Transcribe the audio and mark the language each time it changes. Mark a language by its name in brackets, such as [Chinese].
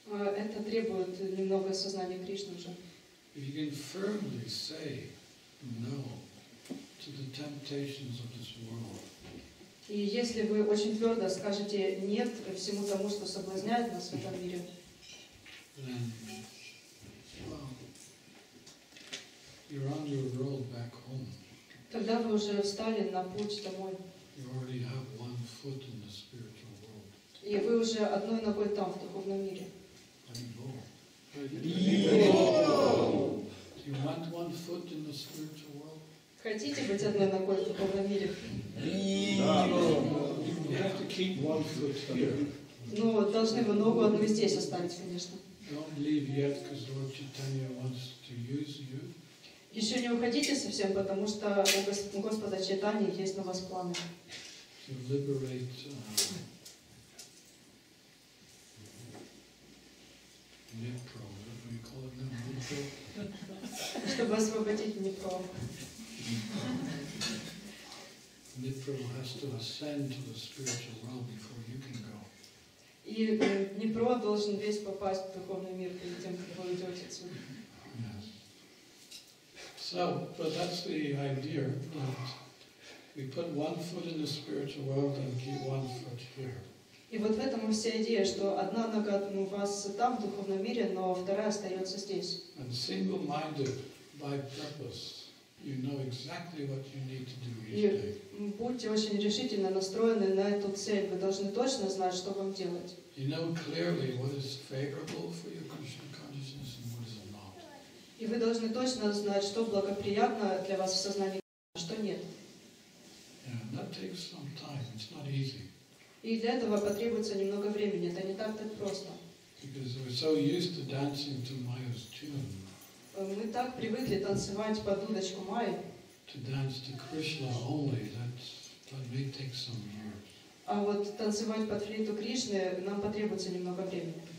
[Russian] Это требует немного сознания Кришны уже. [English] If you can firmly say no to the temptations of this world. [Russian] И если вы очень твердо скажете нет всему тому, что соблазняет нас в этом мире. [English] Then, well, you're on your road back home. [Russian] Тогда вы уже встали на путь домой. [English] You already have one foot in the spiritual world. [Russian] И вы уже одной ногой там, в духовном мире. [English] Do you want one foot in the spiritual world? [Russian] Хотите быть одной ногой в духовном мире? [English] You have to keep one foot here. [Russian] Ну, должны вы ногу одну здесь оставить, конечно. [English] Don't leave yet, because Lord Chaitanya wants to use you. [Russian] Еще не уходите совсем, потому что у Господа Чайтаньи есть на вас планы. [English] To liberate Nipro, what do you call it now? Nipro? [Russian] Чтобы освободить Nipro. [English] Nipro has to ascend to the spiritual realm before you can go. [Russian] И Nipro должен весь попасть в духовный мир перед тем, как вы уйдете отсюда. [English] Yes. So, but that's the idea, that we put one foot in the spiritual world and keep one foot here. [Russian] И вот в этом и вся идея, что одна нога у вас там, в духовном мире, но вторая остается здесь. [English] And single-minded by purpose, you know exactly what you need to do each day. [Russian] И будьте очень решительно настроены на эту цель. Вы должны точно знать, что вам делать. [English] You know clearly what is favorable for your Krishna consciousness and what is not. [Russian] И вы должны точно знать, что благоприятно для вас в сознании, а что нет. [English] Yeah, and that takes some time. It's not easy. [Russian] И для этого потребуется немного времени. Это не так-то просто. [English] Because we're so used to dancing to Maya's tune. [Russian] Мы так привыкли танцевать под удочку Майи. [English] To dance to Krishna only, that may take some years. [Russian] А вот танцевать под флейту Кришны нам потребуется немного времени.